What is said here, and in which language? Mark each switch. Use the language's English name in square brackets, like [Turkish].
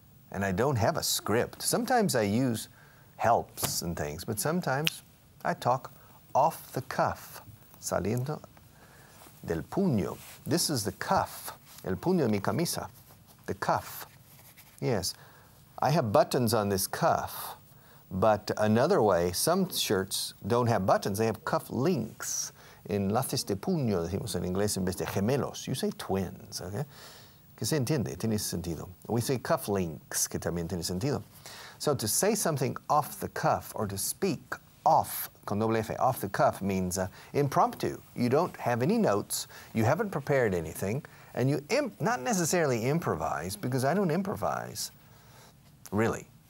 [English] And I don't have a script. Sometimes I use helps and things, but sometimes I talk off the cuff, [Spanish] saliendo del puño. [English] This is the cuff, [Spanish] el puño de mi camisa, [English] the cuff. Yes, I have buttons on this cuff. But another way, some shirts don't have buttons, they have cuff links. [Spanish] En laces de puño, decimos en inglés, en vez de gemelos. [English] You say twins, okay? [Spanish] Que se entiende, tiene sentido. [English] We say cuff links, [Spanish] que también tiene sentido. [English] So to say something off the cuff, or to speak off, [Spanish] con doble F, [English] off the cuff, means impromptu. You don't have any notes, you haven't prepared anything, and you not necessarily improvise, because I don't improvise, really.